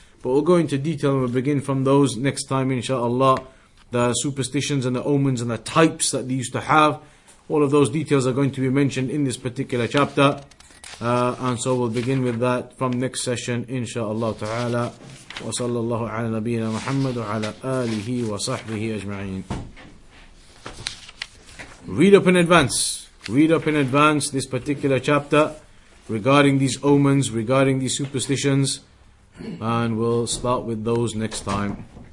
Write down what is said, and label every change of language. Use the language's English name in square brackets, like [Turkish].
[English] But we'll go into detail and we'll begin from those next time, inshallah. The superstitions and the omens and the types that they used to have. All of those details are going to be mentioned in this particular chapter. And so we'll begin with that from next session, inshallah ta'ala. [Arabic] وصلى الله على نبينا محمد وعلى آله وصحبه أجمعين. [English] Read up in advance. Read up in advance this particular chapter regarding these omens, regarding these superstitions, and we'll start with those next time.